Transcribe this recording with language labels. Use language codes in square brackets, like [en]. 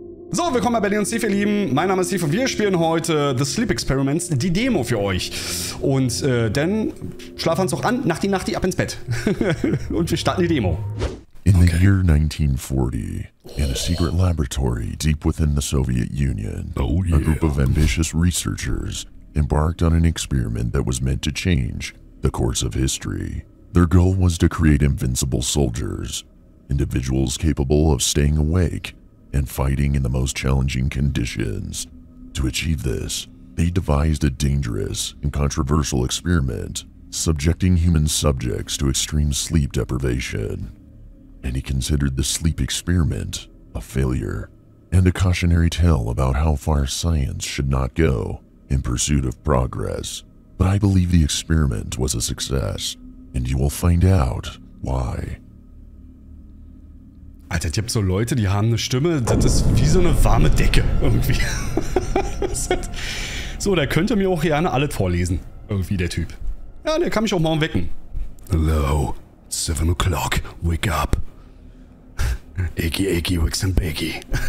[de] So, willkommen bei Berlin und Steve, ihr Lieben. Mein Name ist Steve und wir spielen heute The Sleep Experiments, die Demo für euch. Und dann Schlafanzug an, Nachti-Nachti, ab ins Bett. Und wir starten die Demo. [en] In the year 1940, in a secret laboratory deep within the Soviet Union, a group of ambitious researchers embarked on an experiment that was meant to change the course of history. Their goal was to create invincible soldiers, individuals capable of staying awake and fighting in the most challenging conditions. To achieve this, they devised a dangerous and controversial experiment, subjecting human subjects to extreme sleep deprivation. Many considered the sleep experiment a failure and a cautionary tale about how far science should not go in pursuit of progress. But I believe the experiment was a success, and you will find out why. [de] Alter, ich hab so Leute, die haben eine Stimme, das ist wie so eine warme Decke irgendwie. So, der könnte mir auch gerne alles vorlesen, irgendwie der Typ. Ja, der kann mich auch morgen wecken. [en] Hello, 7 o'clock, wake up. Iggy, Iggy, Wicks and Biggie.